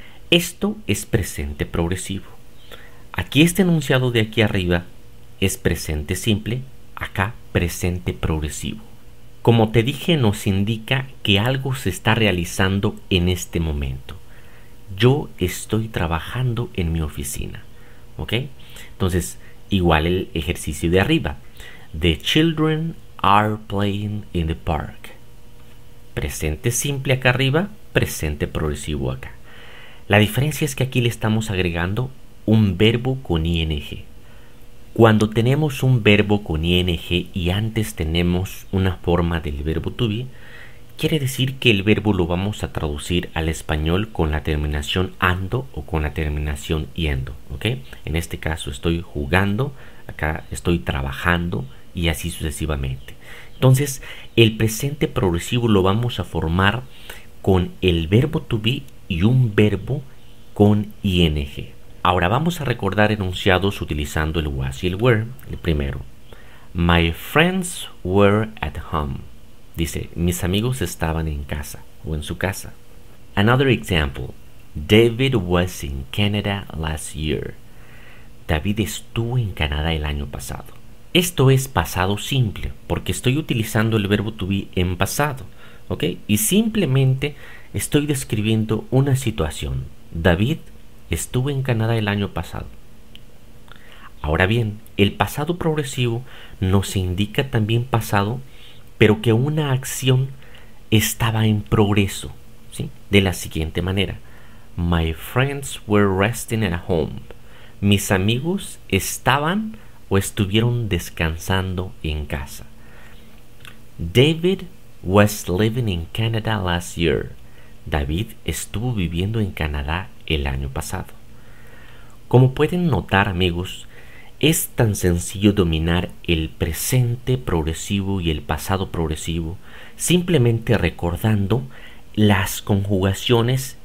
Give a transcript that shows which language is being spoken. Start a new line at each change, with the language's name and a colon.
Spanish: Esto es presente progresivo. Aquí este enunciado de aquí arriba es presente simple, acá presente progresivo. Como te dije, nos indica que algo se está realizando en este momento. Yo estoy trabajando en mi oficina. ¿Ok? Entonces, igual el ejercicio de arriba.
English: The children are playing in the park.
Spanish: Presente simple acá arriba, presente progresivo acá. La diferencia es que aquí le estamos agregando un verbo con ing. Cuando tenemos un verbo con ing y antes tenemos una forma del verbo to be, quiere decir que el verbo lo vamos a traducir al español con la terminación ando o con la terminación yendo, ¿ok? En este caso estoy jugando, acá estoy trabajando y así sucesivamente. Entonces, el presente progresivo lo vamos a formar con el verbo to be y un verbo con ing. Ahora vamos a recordar enunciados utilizando el was y el were. El primero:
English: My friends were at home.
Spanish: Dice, mis amigos estaban en casa o en su casa.
English: Another example: David was in Canada last year.
Spanish: David estuvo en Canadá el año pasado. Esto es pasado simple, porque estoy utilizando el verbo to be en pasado, ¿ok? Y simplemente estoy describiendo una situación. David estuvo en Canadá el año pasado. Ahora bien, el pasado progresivo nos indica también pasado, pero que una acción estaba en progreso, ¿sí? De la siguiente manera:
English: My friends were resting at home.
Spanish: Mis amigos estaban o estuvieron descansando en casa.
English: David was living in Canada last year.
Spanish: David estuvo viviendo en Canadá el año pasado. Como pueden notar, amigos, es tan sencillo dominar el presente progresivo y el pasado progresivo simplemente recordando las conjugaciones.